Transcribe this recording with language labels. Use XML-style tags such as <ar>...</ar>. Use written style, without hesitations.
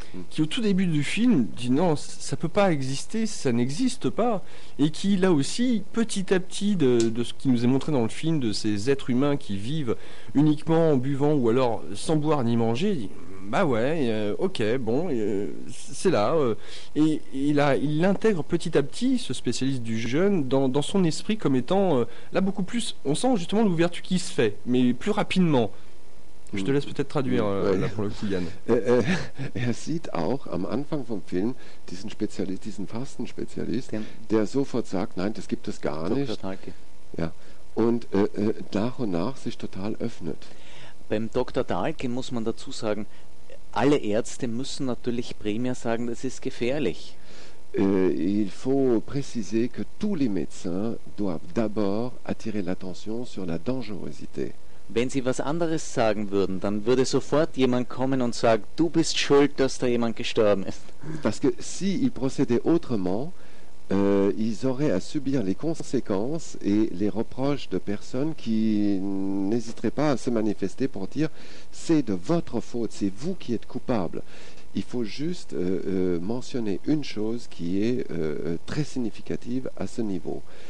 <fr>Qui au tout début du film dit non, ça peut pas exister, ça n'existe pas, et qui là aussi, petit à petit, de ce qui nous est montré dans le film, de ces êtres humains qui vivent uniquement en buvant ou alors sans boire ni manger, dit bah ouais, ok, bon, c'est là, et il intègre petit à petit ce spécialiste du jeûne dans son esprit comme étant là beaucoup plus, on sent justement l'ouverture qui se fait, mais plus rapidement. Je te laisse peut-être traduire là pour le Kilian.</fr> <de>Er sieht auch am Anfang vom Film diesen Spezialist, diesen Fastenspezialist, der sofort sagt, nein, das gibt es gar nicht. Ja. Und nach und nach sich total öffnet. Beim Dr. Dahlke muss man dazu sagen, alle Ärzte müssen natürlich primär sagen, das ist gefährlich.</de> <fr>Il faut préciser que tous les médecins doivent d'abord attirer l'attention sur la dangerosité.</fr> <de>Wenn sie was anderes sagen würden, dann würde sofort jemand kommen und sagen, du bist schuld, dass da jemand gestorben ist.</de> <fr>Parce que si ils procédaient autrement, ils auraient à subir les conséquences et les reproches de personnes qui n'hésiteraient pas à se manifester pour dire, c'est de votre faute, c'est vous qui êtes coupable. Il faut juste mentionner une chose qui est très significative à ce niveau.</fr>